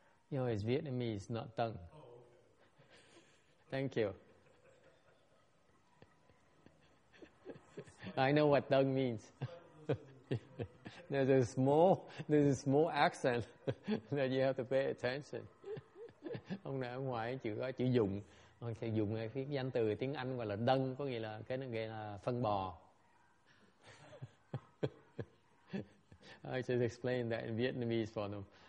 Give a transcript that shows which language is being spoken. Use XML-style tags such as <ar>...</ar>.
<en>No, it's Vietnamese, not tongue. Oh, okay. Thank you. I know what tongue means. There's a small accent that you have to pay attention.</en> <vi>Ông nói ngoài chữ có chữ dùng, ông sẽ dùng cái danh từ tiếng Anh gọi là dung, có nghĩa là cái nó gọi là phân bò.</vi> <en>I should explain that in Vietnamese for them.</en>